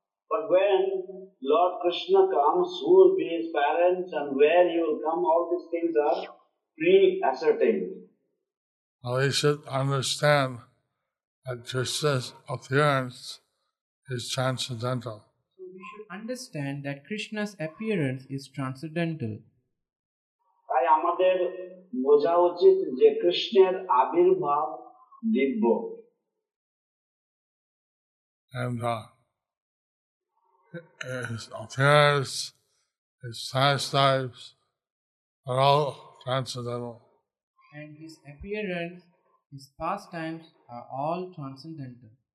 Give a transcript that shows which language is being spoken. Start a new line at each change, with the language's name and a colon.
English: But when Lord Krishna comes, who will be his parents and where he will come, all these things are pre-ascertained. Now we should understand that Krishna's appearance is transcendental. So we should understand that Krishna's appearance is transcendental.
Bangla: তাই আমাদের বোঝা উচিত যে কৃষ্ণের আবির্ভাব দিব্য.
English: And his appearance, his pastimes are all transcendental. And his appearance, his pastimes are all transcendental.